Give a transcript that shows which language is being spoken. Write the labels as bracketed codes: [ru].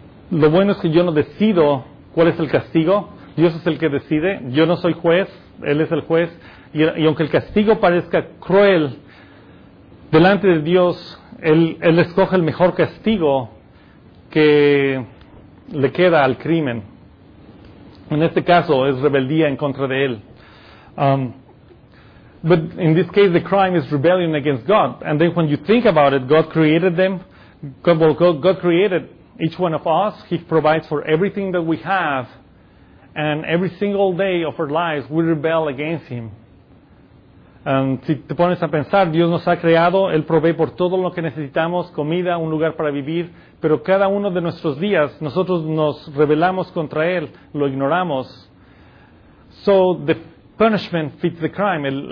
[es] Lo bueno es que yo no decido cuál es el castigo. Dios es el que decide. Yo no soy juez. Él es el juez. Y aunque el castigo parezca cruel, delante de Dios, Él escoge el mejor castigo que le queda al crimen. En este caso, es rebeldía en contra de Él. [en] But in this case, the crime is rebellion against God. And then when you think about it, God created them. God created each one of us. He provides for everything that we have. And every single day of our lives, we rebel against Him. [es] Si te pones a pensar, Dios nos ha creado, Él provee por todo lo que necesitamos, comida, un lugar para vivir, pero cada uno de nuestros días, nosotros nos rebelamos contra Él, lo ignoramos. [en] So, the punishment fits the crime.